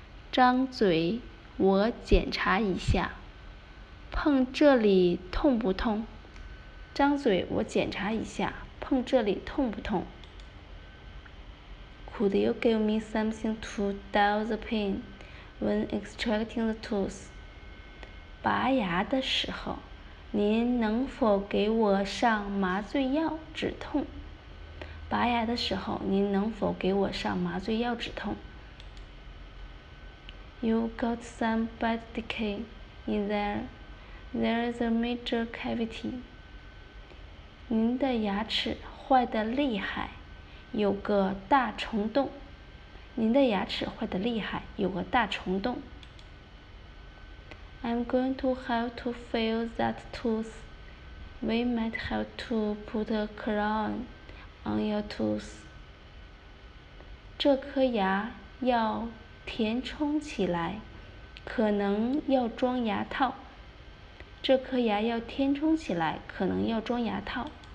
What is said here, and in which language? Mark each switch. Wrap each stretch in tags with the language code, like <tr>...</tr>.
<zh>张嘴，我检查一下。碰这里痛不痛？张嘴，我检查一下。碰这里痛不痛？</zh> <en>Could you give me something to dull the pain when extracting the tooth?</en> <zh>拔牙的时候，您能否给我上麻醉药止痛？拔牙的时候，您能否给我上麻醉药止痛？</zh> <en>You got some bad decay in there. There is a major cavity.</en> <zh>您的牙齿坏得厉害，有个大虫洞。您的牙齿坏得厉害，有个大虫洞。</zh> <en>I'm going to have to fill that tooth. We might have to put a crown on your tooth.</en> <zh>这颗牙要填充起来，可能要装牙套。这颗牙要填充起来，可能要装牙套。</zh>